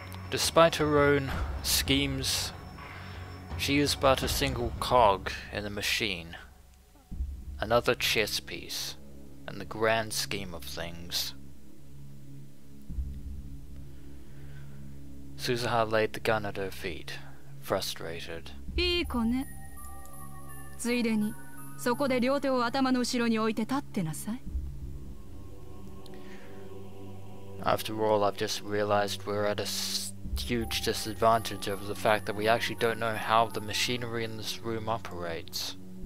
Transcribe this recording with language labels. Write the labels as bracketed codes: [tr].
[en] Despite her own schemes, she is but a single cog in the machine. Another chess piece in the grand scheme of things. Suzuha laid the gun at her feet, frustrated. [ja] いい子ね。ついでに、 そこで両手を頭の後ろに置いて立ってなさい。 [en] After all, I've just realized we're at a huge disadvantage over the fact that we actually don't know how the machinery in this room operates.